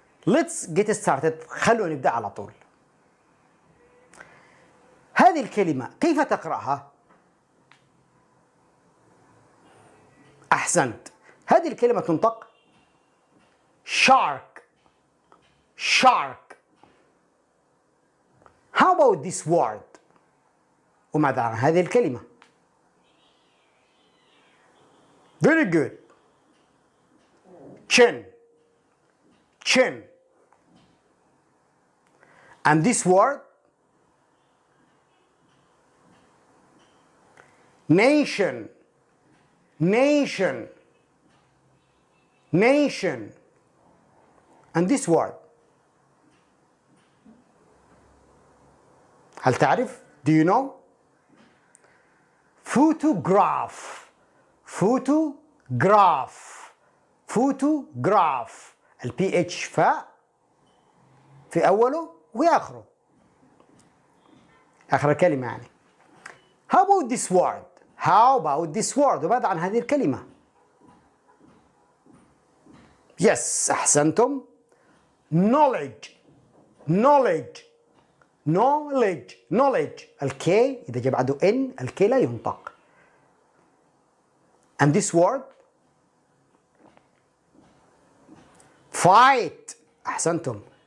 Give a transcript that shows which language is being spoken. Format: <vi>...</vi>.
<en>Let's get started.</en> <ar>خلونا نبدأ على طول. هذه الكلمة كيف تقرأها؟ أحسنت. هذه الكلمة تنطق shark.</ar> <en>Shark. How about this word؟</en> <ar>وماذا عن هذه الكلمة؟</ar> <en>Very good. Chin. Chin. And this word, nation, nation, nation. And this word,</en> <ar>هل تعرف؟</ar> <en>Do you know? Photograph, photograph, photograph.</en> <ar>ال PH فاء في أوله وآخره، آخر الكلمة يعني.</ar> <en>How about this word؟ How about this word؟</en> <ar>وماذا عن هذه الكلمة؟</ar> <en>Yes،</en> <ar>أحسنتم.</ar> <en>Knowledge، knowledge، knowledge، knowledge.</en> <ar>الـ K إذا جاء بعده N، الـ K لا ينطق.</ar> <en>And this word؟ Fight،</en> <ar>أحسنتم.</ar>